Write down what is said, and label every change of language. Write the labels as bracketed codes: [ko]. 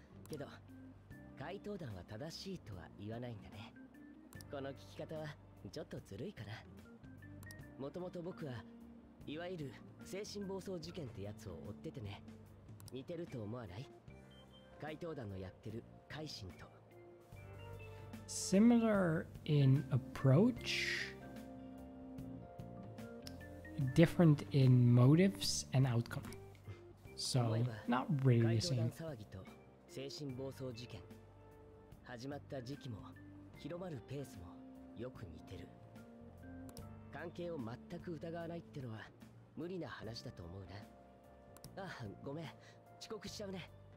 [ja] けど、怪盗団は正しいとは言わないんだね。この聞き方はちょっとずるいかな。もともと僕はいわゆる精神暴走事件ってやつを追っててね。似てると思わない？怪盗団のやってる改心と。 [en] Similar in approach, different in motives and outcome. So, not really the same. [ja] 騒ぎと精神暴走事件始まった時期も広まるペースもよく似てる。関係を全く疑わないってのは無理な話だと思うな。ああ、ごめん、遅刻しちゃうね。